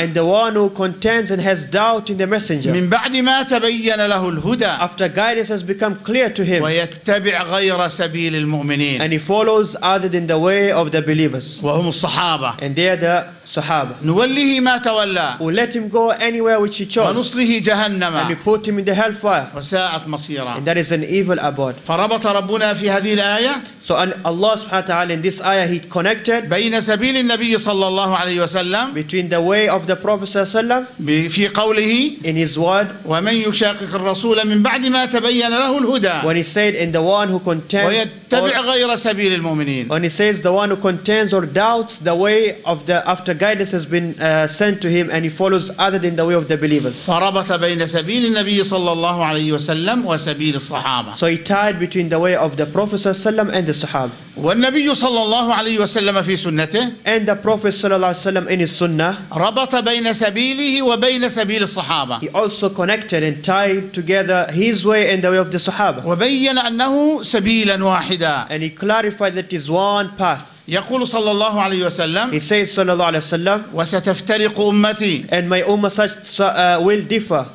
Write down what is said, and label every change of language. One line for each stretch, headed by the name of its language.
English: and the one who contends and has doubt in the messenger
Arabic: من بعد ما تبين له الهدى
English: after guidance has become clear to him
Arabic: ويتبع غير سبيل المؤمنين
English: and he follows other than the way of the believers
Arabic: وهم الصحابة
English: and they are the صحابة
Arabic: نوليه ما تولى
English: we let him go anywhere which he chose
Arabic: ونصله جهنم
English: and we put him in the hellfire
Arabic: وساءت مصيرا
English: and that is an evil abode
Arabic: فربط ربنا في هذه الآية
English: so and Allah سبحانه وتعالى in this ayah he connected
Arabic: بين سبيل النبي صلى الله عليه وسلم
English: Between the way of the Prophet
Arabic: في قوله
English: in his word
Arabic: ومن يشاقق الرسول من بعد ما تبين له الهدى
English: when he said in the one who contends
Arabic: ويتبع غير سبيل المؤمنين
English: when he says the one who contends or doubts the way of the after guidance has been sent to him and he follows other than the way of the believers
Arabic: فربط بين سبيل النبي صلى الله عليه وسلم وسبيل الصحابة
English: so he tied between the way of the Prophet and the Sahaba
Arabic: والنبي صلى الله عليه وسلم في سنته
English: and the Prophet صلى الله عليه وسلم in his sunnah
Arabic: ربط بين سبيله وبين سبيل الصحابة
English: he also connected and tied together his way and the way of the Sahaba
Arabic: وبين أنه سبيلا واحدا
English: and he clarified that is one path
Arabic: يقول صلى الله عليه وسلم
English: he says صلى الله عليه وسلم
Arabic: وستفترق أمتي
English: and my ummah will differ